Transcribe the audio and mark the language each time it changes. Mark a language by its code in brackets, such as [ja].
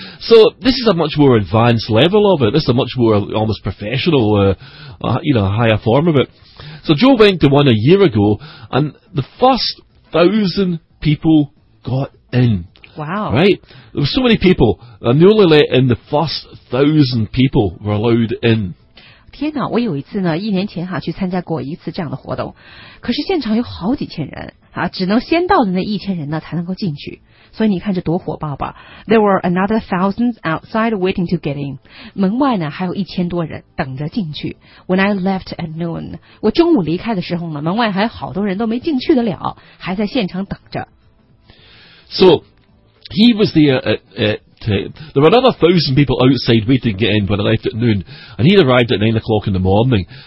[en] So this is a much more advanced level of it. This is a much more almost professional, higher form of it. So Joe went to one a year ago, and the first 1,000 people got in. Wow. Right? There were so many people. And they only let in the first 1,000 people were allowed in. [zh] 天哪, 我有一次呢, 一年前哈, 去参加过一次这样的活动, 可是现场有好几千人, 啊, 只能先到的那一千人呢, 才能够进去。所以你看这多火爆吧。 [en] There were another 1,000 outside waiting to get in. [zh] 门外呢, 还有1,000多人, 等着进去。 [en] When I left at noon, [zh] 我中午离开的时候呢, 门外还有好多人都没进去得了, 还在现场等着。 [en] So, he was there there were another 1,000 people outside waiting to get in when I left at noon, and he'd arrived at 9 o'clock in the morning.